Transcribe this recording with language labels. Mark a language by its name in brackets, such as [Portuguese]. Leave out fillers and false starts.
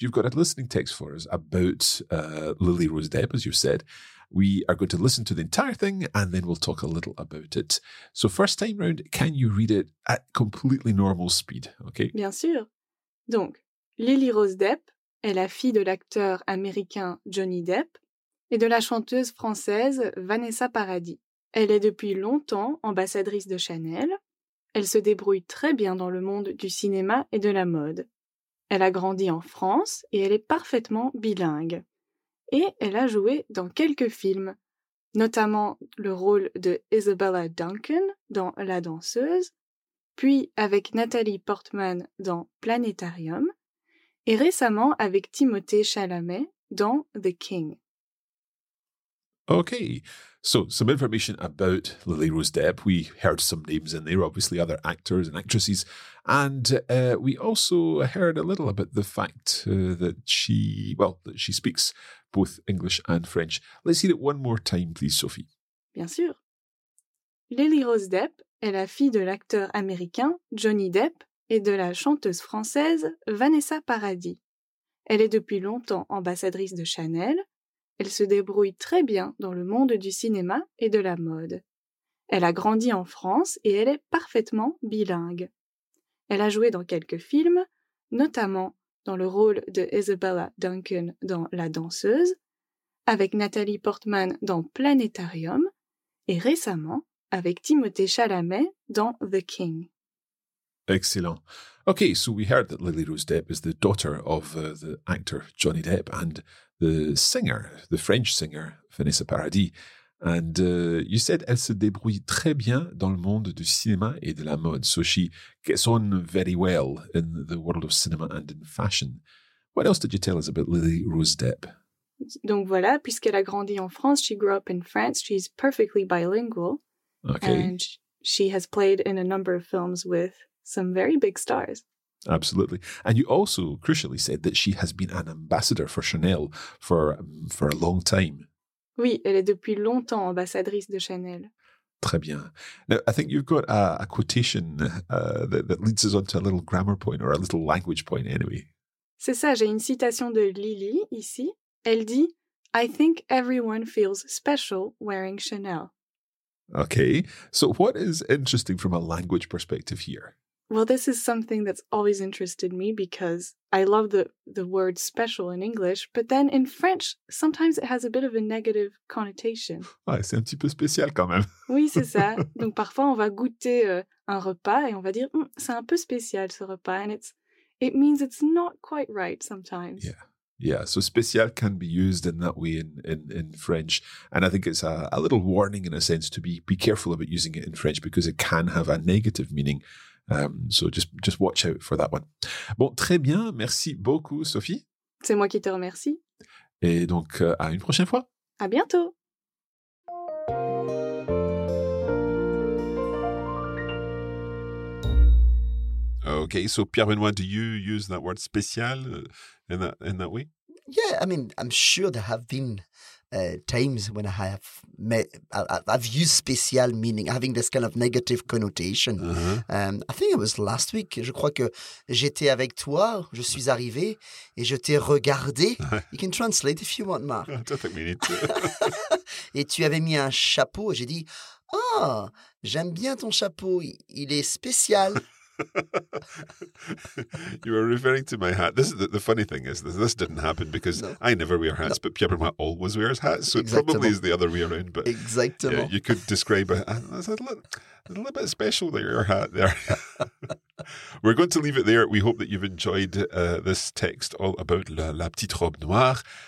[English] You've got a listening text for us about Lily Rose Depp, as you said. We are going to listen to the entire thing and then we'll talk a little about it. So first time round, can you read it at completely normal speed? Okay. [French] Bien sûr. Donc, Lily Rose Depp est la fille de l'acteur américain Johnny Depp et de la chanteuse française Vanessa Paradis. Elle est depuis longtemps ambassadrice de Chanel. Elle se débrouille très bien dans le monde du cinéma et de la mode. Elle a grandi en France et elle est parfaitement bilingue. Et elle a joué dans quelques films, notamment le rôle de Isabella Duncan dans La Danseuse, puis avec Natalie Portman dans Planétarium, et récemment avec Timothée Chalamet dans The King. [English] Okay, so some information about Lily Rose Depp. We heard some names in there, obviously other actors and actresses. And we also heard a little about the fact that she speaks both English and French. Let's hear it one more time, please, Sophie. [French] Bien sûr. Lily Rose Depp est la fille de l'acteur américain Johnny Depp et de la chanteuse française Vanessa Paradis. Elle est depuis longtemps ambassadrice de Chanel. Elle se débrouille très bien dans le monde du cinéma et de la mode. Elle a grandi en France et elle est parfaitement bilingue. Elle a joué dans quelques films, notamment dans le rôle de Isabella Duncan dans La Danseuse, avec Natalie Portman dans Planétarium et récemment avec Timothée Chalamet dans The King. [English] Excellent. Okay, so we heard that Lily Rose Depp is the daughter of the actor Johnny Depp and the singer, the French singer, Vanessa Paradis. And you said [French] elle se débrouille très bien dans le monde du cinéma et de la mode. [English] So she gets on very well in the world of cinema and in fashion. What else did you tell us about Lily Rose Depp? [French] Donc voilà, puisqu'elle a grandi en France, [English] she grew up in France, she's perfectly bilingual. Okay. And she has played in a number of films with some very big stars. Absolutely. And you also crucially said that she has been an ambassador for Chanel for a long time. [French] Oui, elle est depuis longtemps ambassadrice de Chanel. Très bien. [English] Now, I think you've got a quotation that leads us on to a little grammar point or a little language point anyway. [French] C'est ça, j'ai une citation de Lily ici. Elle dit, [English] I think everyone feels special wearing Chanel. Okay. So what is interesting from a language perspective here? Well, this is something that's always interested me because I love the word special in English, but then in French, sometimes it has a bit of a negative connotation. [French] Ouais, c'est un petit peu spécial quand même. Oui, c'est ça. Donc parfois, on va goûter un repas et on va dire, c'est un peu spécial ce repas. [English] And it means it's not quite right sometimes. Yeah, so spécial can be used in that way in French. And I think it's a little warning in a sense to be careful about using it in French because it can have a negative meaning. So just watch out for that one. [French] Bon, très bien. Merci beaucoup, Sophie. C'est moi qui te remercie. Et donc, à une prochaine fois. À bientôt. [English] Okay, so Pierre-Benoît, do you use that word spécial in that way? Yeah, I mean, I'm sure there have been times when I have I've used spécial meaning, having this kind of negative connotation. Uh-huh. I think it was last week. [French] Je crois que j'étais avec toi, je suis arrivé et je t'ai regardé. [English] You can translate if you want, Mark. I don't think we need to. [French] Et tu avais mis un chapeau et j'ai dit, oh, j'aime bien ton chapeau, il est spécial. [English] You were referring to my hat. This is the funny thing is this didn't happen because no. I never wear hats, no. But Pierre-Benoît always wears hats, so [French] exactement. [English] It probably is the other way around. But exactly, yeah, you could describe a little bit special that your hat there. We're going to leave it there. We hope that you've enjoyed this text all about la petite robe noire.